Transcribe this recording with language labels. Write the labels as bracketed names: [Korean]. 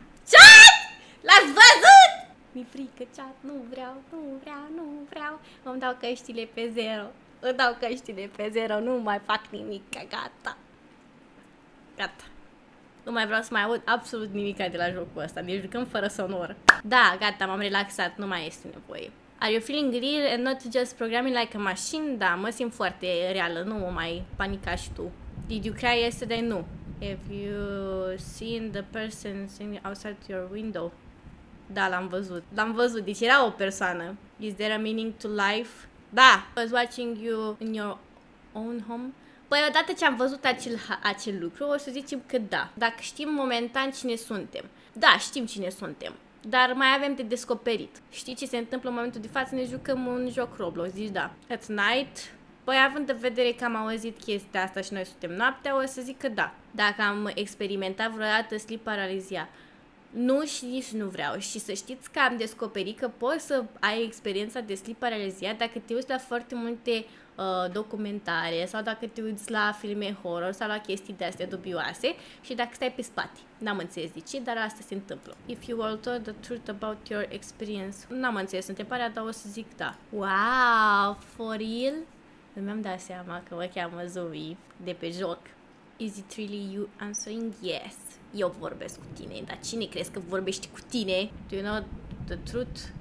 [Romanian] Chat! L-ați văzut? Mi-e frică, chat. Nu vreau, nu vreau, nu vreau. Îmi dau căștile pe zero. Îmi dau căștile pe zero. Nu mai fac nimic. Gata. Gata. Nu mai vreau să mai aud absolut nimic de la jocul ăsta. Ne jucăm fără sonor. Da, gata, m-am relaxat. Nu mai este nevoie. [English] Are you feeling real and not just programming like a machine? [Romanian] Da, mă simt foarte reală, nu mă mai panica și tu. [English] Did you cry yesterday? [Romanian] Nu. [English] Have you seen the person sitting outside your window? [Romanian] Da, l-am văzut. L-am văzut, deci era o persoană. [English] Is there a meaning to life? [Romanian] Da! [English] I was watching you in your own home? [Romanian] Păi odată ce am văzut acel lucru, o să zicem că da. Dacă știm momentan cine suntem. Da, știm cine suntem. Dar mai avem de descoperit. Știi ce se întâmplă în momentul de față? Ne jucăm un joc Roblox, zici da. [English] At night? [Romanian] Păi având în vedere că am auzit chestia asta și noi suntem noaptea, o să zic că da. Dacă am experimentat vreodată sleep paralizia. Nu și nici nu vreau. Și să știți că am descoperit că poți să ai experiența de sleep paralizia dacă te uiți la foarte multe documentare sau dacă te uiți la filme horror sau la chestii de astea dubioase și dacă stai pe spate. N-am înțeles de ce, dar asta se întâmplă. [English] If you all told the truth about your experience. [Romanian] N-am înțeles întrebarea, dar o să zic da. [English] Wow, for real? [Romanian] Nu mi-am dat seama că mă cheamă Zoe de pe joc. [English] Is it really you answering? Yes. [Romanian] Eu vorbesc cu tine, dar cine crezi că vorbești cu tine? [English] Do you know the truth?